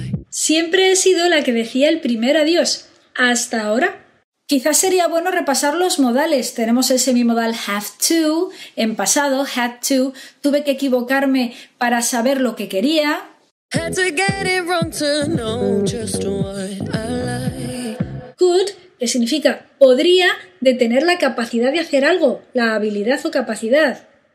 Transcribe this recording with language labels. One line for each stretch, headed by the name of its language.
Spanish: Siempre he sido la que decía el primer adiós. ¿Hasta ahora? Quizás sería bueno repasar los modales. Tenemos el semimodal have to, en pasado, had to, tuve que equivocarme para saber lo que quería.
English: Had to get it wrong to know just what I like.
Spanish: Could, que significa podría, de tener la capacidad de hacer algo, la habilidad o capacidad.